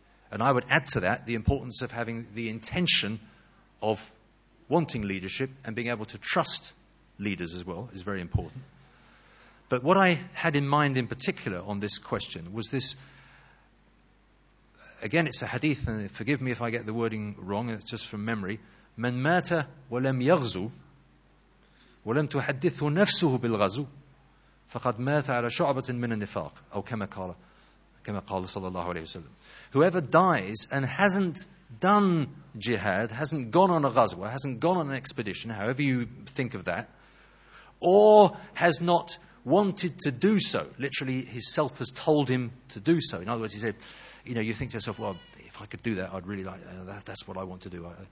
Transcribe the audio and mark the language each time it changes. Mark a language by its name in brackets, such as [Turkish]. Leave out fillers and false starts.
[English] And I would add to that the importance of having the intention of wanting leadership and being able to trust leaders as well is very important. But what I had in mind in particular on this question was this. Again, it's a hadith, and forgive me if I get the wording wrong, it's just from memory. [Arabic] من مات ولم يغزو ولم تحدثه نفسه بالغزو فقد مات على شعبة من النفاق أو كما قال صلى الله عليه وسلم. [English] Whoever dies and hasn't done jihad, hasn't gone on a ghazwa, hasn't gone on an expedition, however you think of that, or has not wanted to do so, literally his self has told him to do so. In other words, he said, you think to yourself, well, if I could do that, I'd really like, that's what I want to do.